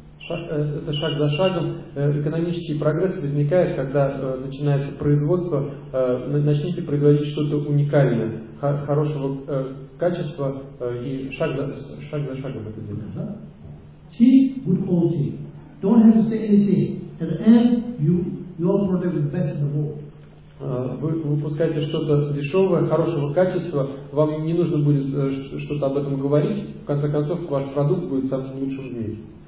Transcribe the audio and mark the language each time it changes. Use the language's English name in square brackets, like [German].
[Russian] Это шаг за шагом. Экономический прогресс возникает, когда начинается производство. Начните производить что-то уникальное, хорошего качества, и шаг за шагом это делаем. [English] Cheap, good quality. Don't have to say anything. At the end, your product is best in the world. [Russian] Вы выпускаете что-то дешевое, хорошего качества, вам не нужно будет что-то об этом говорить, в конце концов, ваш продукт будет самым лучшим в мире.